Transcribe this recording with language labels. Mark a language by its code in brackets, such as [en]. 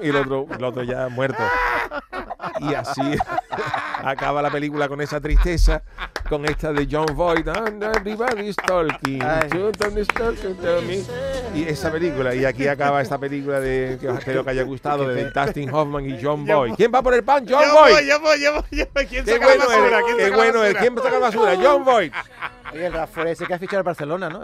[es] Y el otro ya muerto. Y así acaba la película con esa tristeza, con esta de John Voight. [en] And everybody's talking. Everybody's talking to me. [es] Y esa película. Y aquí acaba esta película de que os espero que haya gustado, de Dustin Hoffman y John Voight. ¿Quién va por el pan? John Voight. Yo voy. ¿Quién saca la basura? ¿Quién saca la basura? John Voight. Oye, el Rafa ese que ha fichado el Barcelona, ¿no?